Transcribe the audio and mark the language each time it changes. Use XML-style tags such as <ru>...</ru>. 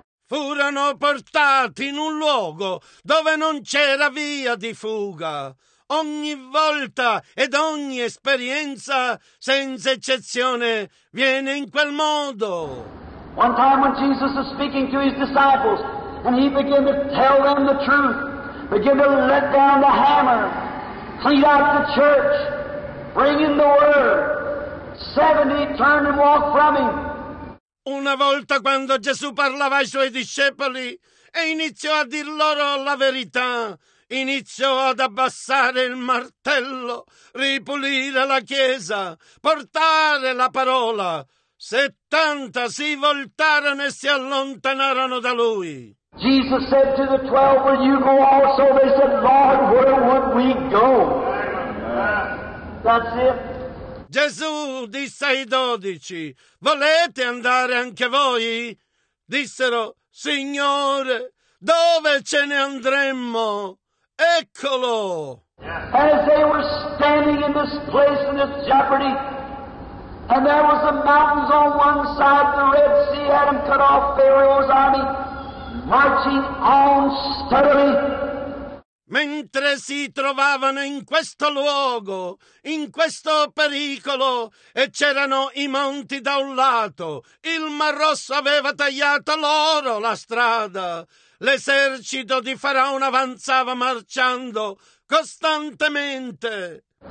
<it>Furono portati in un luogo dove non c'era via di fuga. Ogni volta ed ogni esperienza, senza eccezione, viene in quel modo.</it> <en>One time when Jesus was speaking to his disciples, and he began to tell them the truth, began to let down the hammer, clean out the church, bring in the word. 70 turned and walked from him.</en> <it>Una volta quando Gesù parlava ai suoi discepoli e iniziò a dir loro la verità, iniziò ad abbassare il martello, ripulire la chiesa, portare la parola. 70 si voltarono e si allontanarono da lui.</it> <en>Jesus said to the 12, "Will you go also?" They said, "Lord, where would we go?" That's it.</en> <it>Gesù disse ai 12, "Volete andare anche voi?" Dissero, "Signore, dove ce ne andremmo?" Eccolo!</it> <en>As they were standing in this place in this jeopardy, And there was the mountains on one side, the Red Sea had them cut off, Pharaoh's army marching on steadily.</en> <it>Mentre si trovavano in questo luogo, in questo pericolo, e c'erano i monti da un lato, il Mar Rosso aveva tagliato loro la strada. L'esercito di Faraone avanzava marciando costantemente.</it>